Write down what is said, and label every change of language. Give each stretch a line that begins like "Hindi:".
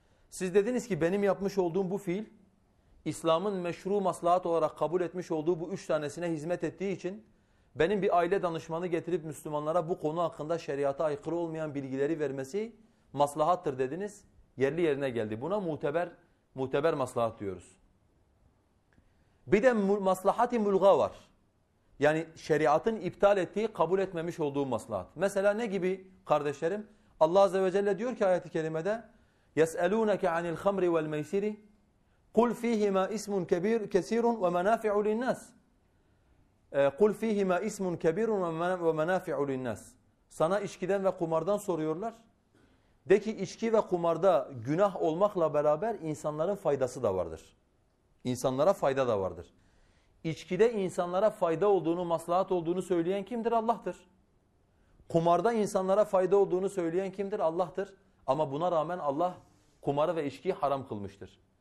Turkish: Siz dediniz ki benim yapmış olduğum bu fiil İslam'ın meşru maslahat olarak kabul etmiş olduğu bu üç tanesine hizmet ettiği için benim bir aile danışmanı getirip Müslümanlara bu konu hakkında şeriata aykırı olmayan bilgileri vermesi maslahattır dediniz. Yerli yerine geldi. Buna muteber maslahat diyoruz. Bir de maslahat-ı mulga var. Yani şeriatın iptal ettiği, kabul etmemiş olduğu maslahat. Mesela ne gibi kardeşlerim?
Arabic: Allah Azze ve Celle diyor ki ayet-i kerimede يَسْأَلُونَكَ عَنِ الْخَمْرِ وَالْمَيْسِرِ قُلْ فِيهِمَا اِسْمٌ كَسِيرٌ وَمَنَافِعُ لِلنَّاسِ قُلْ فِيهِمَا اِسْمٌ كَبِيرٌ وَمَنَافِعُ لِلنَّاسِ
Turkish: Sana içkiden ve kumardan soruyorlar. De ki içki ve kumarda günah olmakla beraber insanların faydası da vardır. İnsanlara fayda da vardır. İçkide insanlara fayda olduğunu, maslahat olduğunu söyleyen kimdir? Allah'tır. Kumarda insanlara fayda olduğunu söyleyen kimdir? Allah'tır. Ama buna rağmen Allah kumarı ve içkiyi haram kılmıştır.